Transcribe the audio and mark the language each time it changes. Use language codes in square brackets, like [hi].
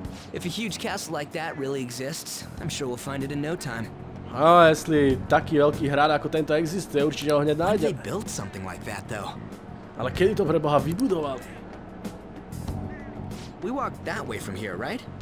[en] If a huge castle like that really exists, I'm sure we'll find it in no time. [sk] Jestli taký veľký hrad ako tento existuje, určite ho hneď nájdeme. [en] They built something like that, though. [sk] Ale kedy to pre Boha vybudovali? [en] We walked that way from here, right?